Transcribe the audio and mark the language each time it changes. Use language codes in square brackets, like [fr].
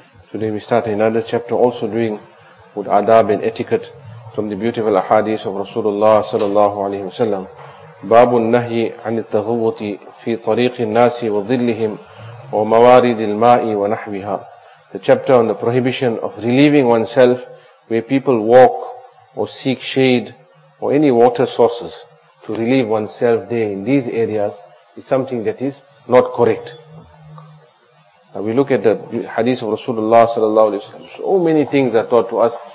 [en] Today we start another chapter also doing with adab and etiquette from the beautiful ahadith of Rasulullah sallallahu alayhi wa sallam. [ar] باب النهي عن التغوط في طريق الناس وظلهم وموارد الماء ونحوها. [en] The chapter on the prohibition of relieving oneself where people walk or seek shade or any water sources. To relieve oneself there in these areas is something that is not correct. Now we look at the hadith of Rasulullah sallallahu alaihi wasallam. So many things are taught to us.